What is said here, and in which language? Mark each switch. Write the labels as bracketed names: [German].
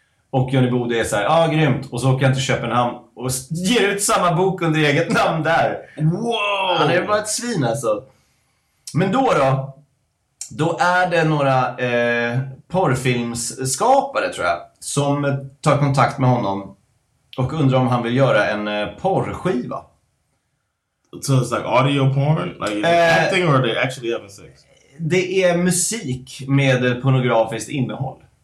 [Swedish] Och Johnny Bode är så här, ah, grymt. Och så åker han till Köpenhamn och ger ut samma bok under eget namn där. [English] Wow! [Swedish] Han är bara ett svin alltså. Men då är det några porrfilmsskapare tror jag som tar kontakt med honom och undrar om han vill göra en porrskiva. [English] So it's like audio porn, like acting, or they actually having sex? [Swedish] Det är musik med pornografiskt innehåll.